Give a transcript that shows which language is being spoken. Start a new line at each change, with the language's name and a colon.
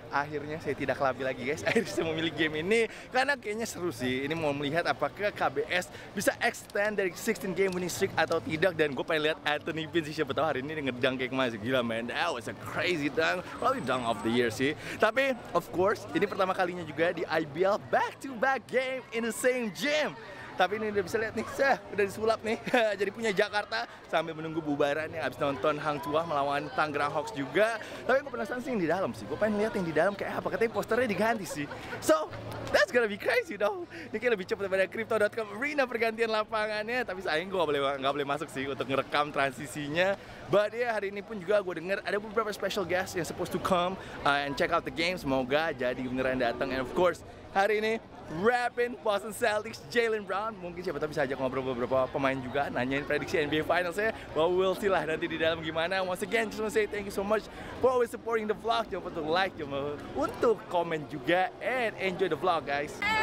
Indonesian: Akhirnya saya tidak kelabi lagi guys, akhirnya saya memilih game ini karena kayaknya seru sih. Ini mau melihat apakah KBS bisa extend dari 16 game winning streak atau tidak. Dan gue pengen lihat Anthony Bean sih, siapa tahu hari ini ngedunk kayak kemarin.
English: Gila man, that was a crazy dunk, probably dunk of the year sih. Tapi of course,
Indonesian: ini pertama kalinya juga di
English: IBL back to back game in the same gym.
Indonesian: Tapi ini udah bisa lihat nih, sah, udah disulap nih. Jadi punya Jakarta sambil menunggu bubaran nih, abis nonton Hang Tuah melawan Tangerang Hawks juga. Tapi gue penasaran sih yang di dalam sih, gue pengen lihat yang di dalam kayak apa, katanya posternya diganti sih.
English: So, that's gonna be crazy dong.
Indonesian: Ini kayak lebih cepat daripada Crypto.com Arena pergantian lapangannya. Tapi sayang gue gak boleh masuk sih untuk ngerekam transisinya.
English: But yeah,
Indonesian: hari ini pun juga gue denger ada beberapa
English: special guest yang supposed to come and check out the game.
Indonesian: Semoga jadi beneran datang.
English: And of course,
Indonesian: hari ini rapping Boston Celtics Jaylen Brown. Mungkin siapa tahu bisa ajak ngobrol beberapa pemain juga, nanyain prediksi NBA Finals ya.
English: Well, we'll see
Indonesian: lah nanti di dalam gimana.
English: Once again, just want to say thank you so much for always supporting the vlog.
Indonesian: Jangan lupa untuk like, jangan lupa untuk komen juga,
English: and enjoy the vlog guys.